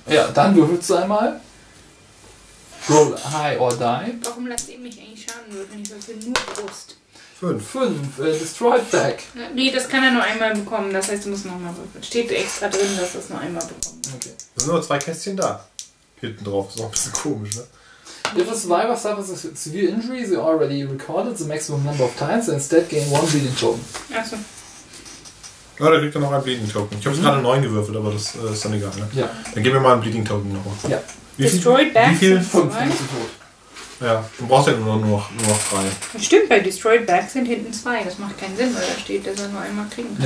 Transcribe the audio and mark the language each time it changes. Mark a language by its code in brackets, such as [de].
[de] Ja, dann würfelst du einmal. [en] Roll high or die. [de] Warum lasst ihr mich eigentlich Schaden würfeln? Ich würfel nur Brust. 5. [en] Destroyed Back. [de] Nee, das kann er nur einmal bekommen. Das heißt, du musst nochmal würfeln. Steht extra drin, dass das nur einmal bekommt. Okay. Da sind nur zwei Kästchen da. Hinten drauf. Ist auch ein bisschen komisch, ne? [en] If a survivor suffers a severe injury, they already recorded the maximum number of times and instead gain one bleeding token. [de] Achso. Ja, da kriegt er noch einen Bleeding Token. Ich habe gerade 9 gewürfelt, aber das ist dann egal, ne? Ja. Dann geben wir mal einen Bleeding Token nochmal. Ja. [en] Destroyed Back. [de] Wie viel? 5 zu tot. Ja, du brauchst ja nur noch 3. Stimmt, bei Destroyed Back sind hinten 2. Das macht keinen Sinn, weil da steht, dass er nur einmal kriegen kann.